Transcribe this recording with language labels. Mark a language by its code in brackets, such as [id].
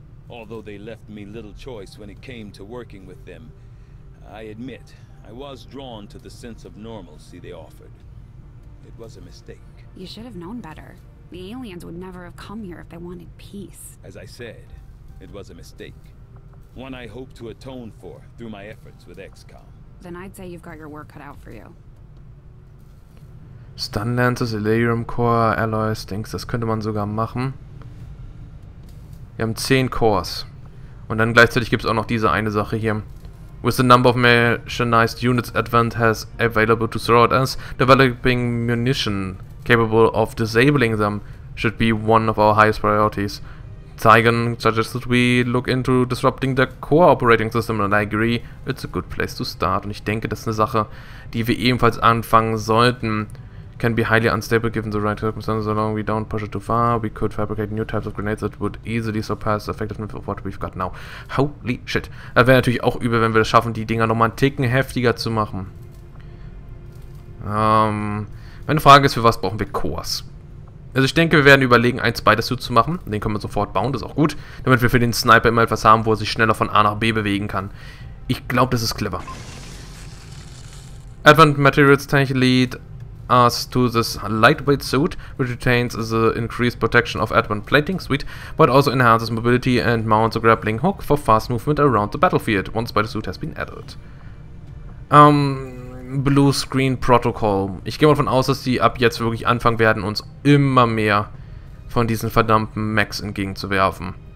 [en] Although they left me little choice when it came to working with them, I admit, I was drawn to the sense of normalcy they offered. It was a mistake. You should have known better. The aliens would never have come here if they wanted peace. As I said, it was a mistake. One I hope to atone for through my efforts with XCOM. Then I'd say you've got your work cut out for you. [de] Stunlancers, Illyrium Core, Alloys, Dings, das könnte man sogar machen. Wir haben 10 Cores. Und dann gleichzeitig gibt es auch noch diese eine Sache hier. [en] With the number of machinized units Advent has available to throw at us, developing munition capable of disabling them should be one of our highest priorities. Zeigen suggested we look into disrupting the core operating system and I agree, it's a good place to start. [de] Und ich denke, das ist eine Sache, die wir ebenfalls anfangen sollten. [en] Can be highly unstable given the right circumstances, so long we don't push it too far, we could fabricate new types of grenades that would easily surpass the effectiveness of what we've got now. Holy shit. [de] Das wäre natürlich auch übel, wenn wir es schaffen, die Dinger nochmal einen Ticken heftiger zu machen. Meine Frage ist, für was brauchen wir Cores? Also ich denke, wir werden überlegen, eins beides zu machen. Den können wir sofort bauen, das ist auch gut. Damit wir für den Sniper immer etwas haben, wo er sich schneller von A nach B bewegen kann. Ich glaube, das ist clever. [en] Advent Materials Tank Lead us to this lightweight suit, which retains the increased protection of Advent Plating Suite, but also enhances mobility and mounts a grappling hook for fast movement around the battlefield, once by the suit has been added. Blue Screen Protocol. [de] Ich gehe mal davon aus, dass die ab jetzt wirklich anfangen werden, uns immer mehr von diesen verdammten Mechs entgegenzuwerfen.